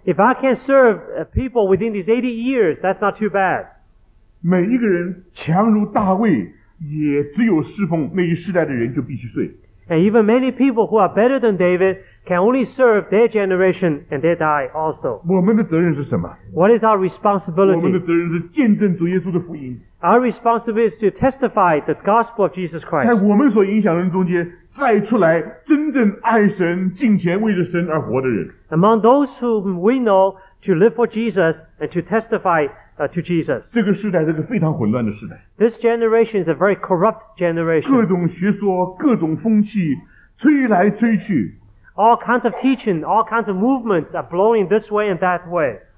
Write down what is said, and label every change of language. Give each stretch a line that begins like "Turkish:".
English: If I can serve people within these 80 years, that's not too bad.
Chinese: 每一个人强如大卫，也只有侍奉那一世代的人就必须睡。
English: And even many people who are better than David can only serve their generation and they die also.
Chinese: 我们的责任是什么?
English: What is our responsibility?
Chinese: 我们的责任是见证主耶稣的福音。
English: Our responsibility is to testify the gospel of Jesus Christ.
Chinese: 在我们所影响人中间，再出来真正爱神、敬虔、为着神而活的人。
English: Among those whom we know to live for Jesus and to testify to Jesus.
Chinese: 这个时代是个非常混乱的时代。
English: This generation is a very corrupt generation.
Chinese: 各种学说，各种风气，吹来吹去。
English: All kinds of teaching, all kinds of movements are blowing this way and that way.